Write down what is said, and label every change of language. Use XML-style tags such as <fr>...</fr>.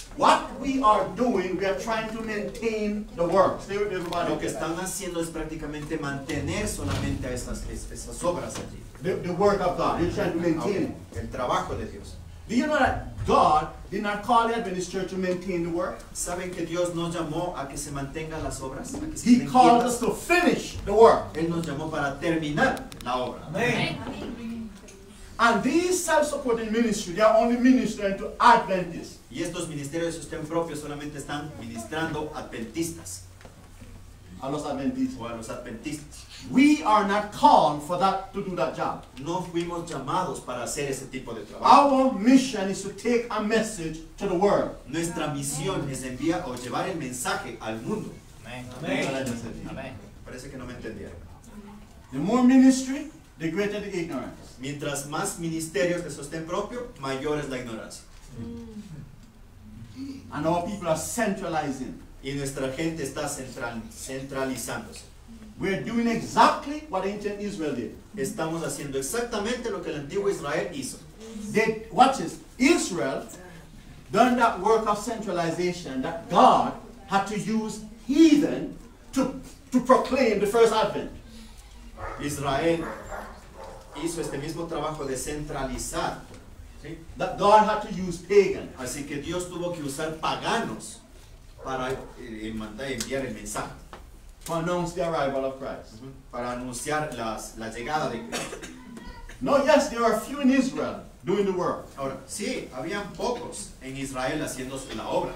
<en>What we are doing, we are trying to maintain the work.</en> <es>Lo que están haciendo es prácticamente mantener solamente a esas obras allí.</es> <en>The work of God. We're trying to maintain it.</en> <es>El trabajo de Dios.</es> <en>Do you know that God did not call the Adventist Church to maintain the work?</en> <es>¿Saben que Dios nos llamó a que se mantengan las obras?</es> <en>He called us to finish the work.</en> <es>Él nos llamó para terminar la obra.</es> <en>Amen. And these self-supporting ministries, they are only ministering to Adventists.</en> <es>Y estos ministerios de sostén propio solamente están ministrando adventistas. A los adventistas. O a los adventistas.</es> <en>We are not called for that to do that job.</en> <es>No fuimos llamados para hacer ese tipo de trabajo.</es> <en>Our mission is to take a message to the world.</en> <es>Nuestra misión es enviar o llevar el mensaje al mundo.</es> <en>Amen. Amen. Amen.</en> <es>Parece que no me entendieron.</es> <en>The more ministry, the greater the ignorance.</en> <es>Mientras más ministerios de sostén propio, mayor es la ignorancia.</es> <en>And our people are centralizing.</en> <es>Y nuestra gente está centralizándose.</es> <en>We are doing exactly what ancient Israel did.</en> <es>Estamos haciendo exactamente lo que el antiguo Israel hizo.</es> <en>Watch this. Israel done that work of centralization that God had to use heathen to proclaim the first advent.</en> <es>Israel hizo este mismo trabajo de centralizar.</es> <en>¿Sí? That God had to use pagan.</en> <es>Así que Dios tuvo que usar paganos para mandar enviar el mensaje.</es> <en>To announce the arrival of Christ.</en> <es>Para anunciar la llegada de Cristo.</es> <en>No, yes, there are few in Israel doing the work.</en> <es>Ahora, sí, habían pocos en Israel haciendo la obra.</es>